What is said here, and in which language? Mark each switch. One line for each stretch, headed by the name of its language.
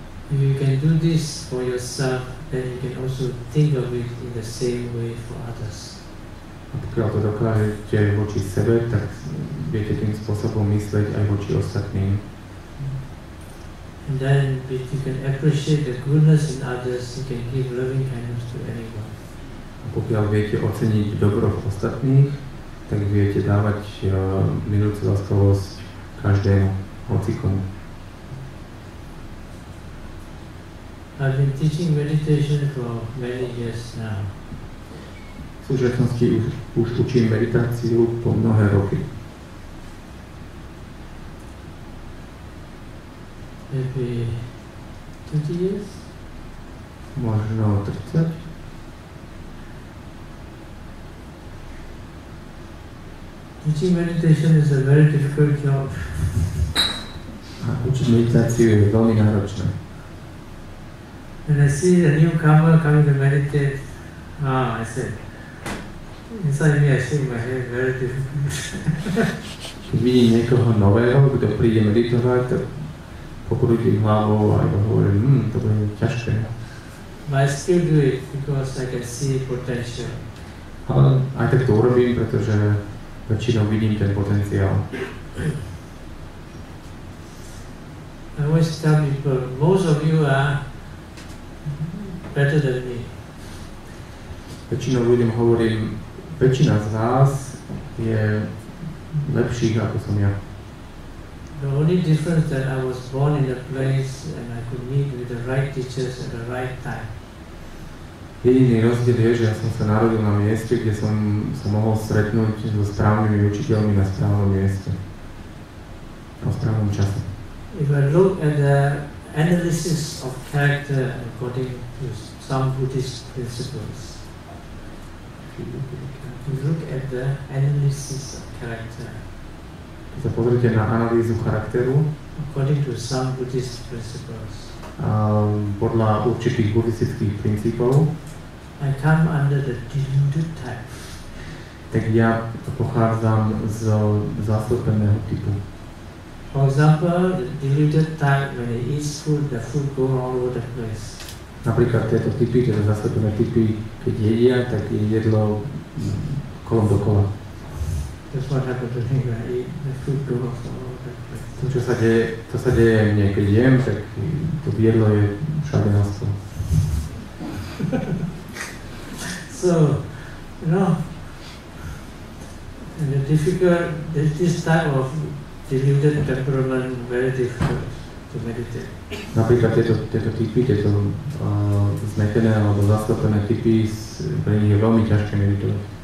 English: If you can do this for yourself, then you can also think of it in the same way for others.
Slovak: A pokiaľ to dokážete voči sebe, tak viete tým spôsobom mysleť aj voči ostatným.
English: And then if you can appreciate the goodness in others, you can give loving kindness to anyone.
Slovak: A pokiaľ viete oceniť dobro v ostatných, tak viete dávať milujúcu láskavosť každému, hocikomu.
English: I've been teaching meditation for many years now.
Slovak: V súčasnosti už učím meditáciu po mnohé roky.
English: Maybe 20 years?
Slovak: Možno 30.
English: Teaching meditation is a very difficult job.
Slovak: A učiť meditáciu je veľmi náročné.
English: When I see the newcomer coming to meditate, I say, inside me I shake my head very difficult.
Slovak: Keď vidím niekoho nového, kto príde meditovať, tak pokrutím hlavou a hovorím, to bude ťažké.
English: But I still do it because I can see potential.
Slovak: Ale aj tak to urobím, pretože väčšinou vidím ten potenciál.
English: I always tell people, most of you are better than me.
Slovak: Väčšinou ľuďom hovorím, väčšina z vás je lepších ako som ja.
English: The only difference that I was born in a place and I could meet with the right teachers at the right time.
Slovak: Jediný rozdiel je, že ja som sa narodil na mieste, kde som sa mohol stretnúť so správnymi učiteľmi na správnom mieste. Na správnom čase.
English: If I look at the analysis of character according to some Buddhist principles. Look at the analysis of character.
Slovak: Keď sa pozrite na analýzu charakteru.
English: According to some Buddhist principles.
Slovak: Podľa určitých buddhistických princípov.
English: I come under the deluded type.
Slovak: Tak ja pochádzam z zastúpeného typu.
English: For example, the deluded type, when they eat food, the food go all over the place.
Slovak: Napríklad tieto typy, teda zastúpené typy, keď jedia, tak je jedlo kolom dokola.
English: That's what happened to me when I eat, the food goes all over the place.
Slovak: To sa deje mne, keď jem, tak to jedlo je všade na stôl.
English: So, you know, this type of deluded temperament is very difficult to meditate.
Slovak: Napríklad tieto typy, tieto zmetené alebo zastopené typy, pre nich je veľmi ťažké meditovať.